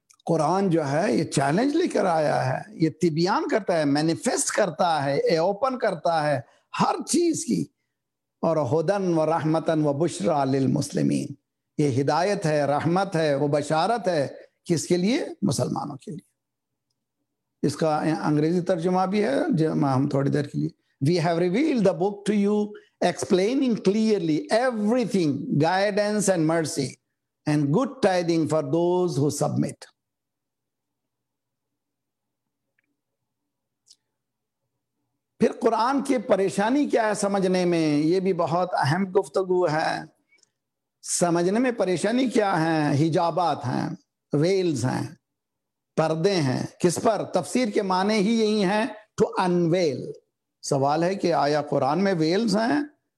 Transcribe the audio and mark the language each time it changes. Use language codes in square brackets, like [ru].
[hi] कुरान जो है ये चैलेंज लेकर आया है, ये तिबयान करता है, मैनिफेस्ट करता है, ए ओपन करता है हर चीज की, और [ar] हुदन व रहमतन व बुशरा लिल मुस्लिमीन, [hi] ये हिदायत है, रहमत है, वो बशारत है, किसके लिए? मुसलमानों के लिए। इसका अंग्रेजी तर्जुमा भी है हम थोड़ी देर के लिए। [en] We have revealed the book to you, explaining clearly everything, guidance and mercy, and good tidings for those who submit. [hi] फिर कुरान की परेशानी क्या है समझने में, ये भी बहुत अहम गुफ्तगू है। समझने में परेशानी क्या है? हिजाबात हैं, वेल्स हैं, पर्दे हैं। किस पर? तफसीर के माने ही यही हैं, [en] To unveil. [hi] सवाल है कि आया कुरान में वेल्स हैं?